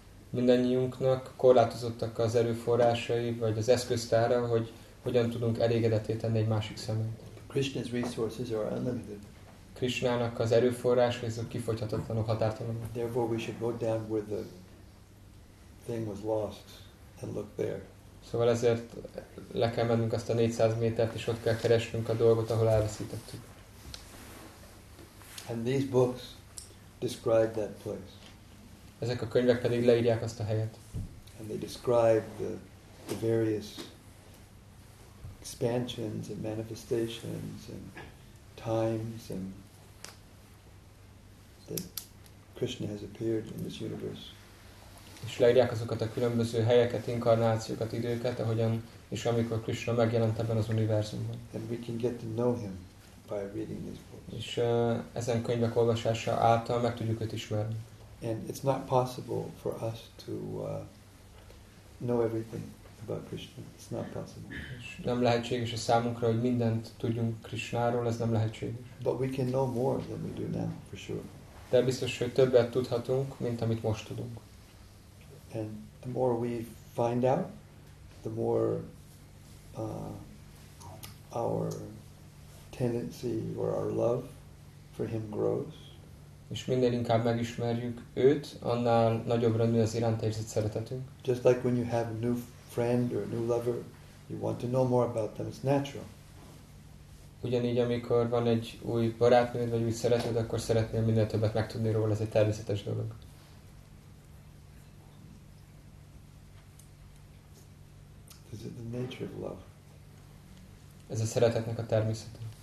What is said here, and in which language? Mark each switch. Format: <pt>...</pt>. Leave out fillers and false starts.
<hu>Mindannyiunknak korlátozottak az erőforrásai vagy az eszköztára, hogy hogyan tudunk elégedetté tenni egy másik személyt.</hu> <en>Krishna's resources are unlimited.</en> <hu>Krishnának az erőforrásai azok kifogyhatatlanok, határtalanok.</hu> <en>Therefore we should go down with the thing was lost and look there.</en> <hu>Szóval ezért le kell mennünk azt a 400 métert, és ott kell keresnünk a dolgot, ahol elveszítettük.</hu> <en>And these books describe that place.</en> <hu>Ezek a könyvek pedig leírják azt a helyet.</hu> <en>And they describe the various expansions and manifestations and times and that Krishna has appeared in this universe.</en> <hu>És leírják azokat a különböző helyeket, inkarnációkat, időket, ahogyan és amikor Krishna megjelent ebben az univerzumban.</hu> <en>And we can get to know him by reading these books.</en> <hu>És ezen könyvek olvasása által meg tudjuk őt ismerni.</hu> <en>And it's not possible for us to know everything about Krishna. It's not possible.</en> <hu>És nem lehetséges a számunkra, hogy mindent tudjunk Krishnáról, ez nem lehetséges.</hu> <en>But we can know more than we do now, for sure.</en> <hu>De biztos, hogy többet tudhatunk, mint amit most tudunk.</hu> <en>And the more we find out, the more our tendency or our love for him grows.</en> <hu>És minél inkább megismerjük őt, annál nagyobbra nő az iránt érzett szeretetünk.</hu> <en>Just like when you have a new friend or a new lover, you want to know more about them. It's natural.</en> <hu>Ugyanígy, amikor van egy új barátnőd vagy új szereted, akkor szeretnél minél többet megtudni róla. Ez egy természetes dolog.</hu> <en>Is it the nature of love?</en> <hu>Ez a szeretetnek a természete.</hu>